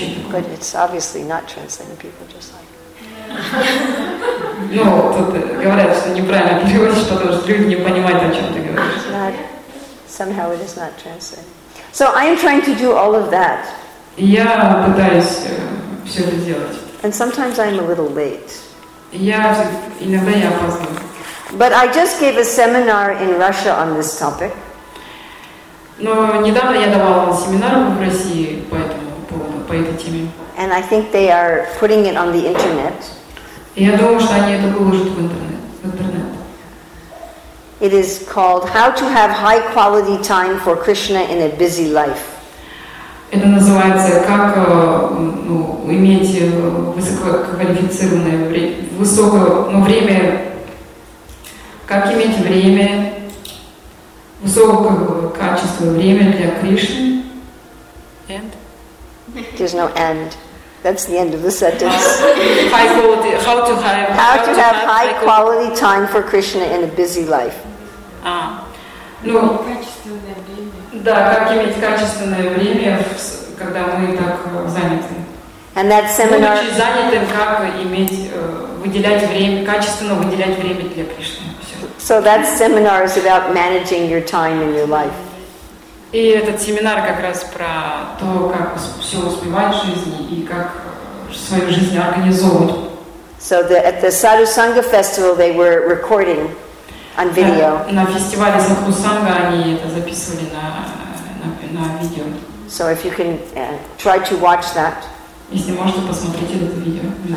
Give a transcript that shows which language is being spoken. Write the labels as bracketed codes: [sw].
[en] But it's obviously not translating people just like. [ru] No, тут говорят, что неправильно переводят, что то, что люди не понимают, о чем ты говоришь. [en] Not, somehow it is not translating. So I am trying to do all of that. [ru] Я пытаюсь все это сделать. [en] And sometimes I'm a little late. [ru] Иногда я опаздываю. [en] But I just gave a seminar in Russia on this topic. [ru] Но недавно я давала семинар в России по этому поводу, по этой теме. [en] And I think they are putting it on the internet. [ru] Я думаю, что они это выложат в интернет. [en] It is called How to Have High Quality Time for Krishna in a Busy Life. [ru] Это называется как иметь высококвалифицированное время, время. Как иметь время, высокого качества время для Кришны. [en] And? There's no end. That's the end of the sentence. How to have high quality time for Krishna in a busy life. [ru] Да, как иметь качественное время, когда мы так заняты. [en] And that seminar... [ru] Будучи занятым, как иметь, выделять время, качественно выделять время для Кришны. [en] So that seminar is about managing your time in your life. [ru] И этот семинар как раз про то, как все успевать в жизни и как свою жизнь организовывать. [en] So at the Sadhusanga festival they were recording on video. [ru] На фестивале Садхусанга они это записывали на видео. [en] So if you can try to watch that. [ru] Если можете посмотреть это видео.